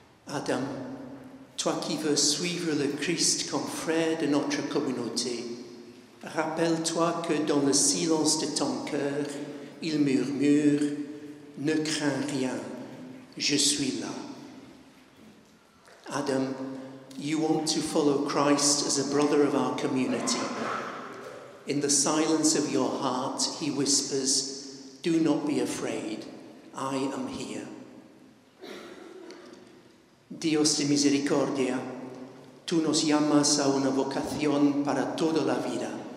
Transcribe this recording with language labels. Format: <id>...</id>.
<fr>Adam, toi qui veux suivre le Christ comme frère de notre communauté, rappelle-toi que dans le silence de ton cœur, il murmure, ne crains rien, je suis là.</fr> <en>Adam, you want to follow Christ as a brother of our community. In the silence of your heart, he whispers, do not be afraid, I am here.</en> <es>Dios de misericordia, tú nos llamas a una vocación para toda la vida.</es>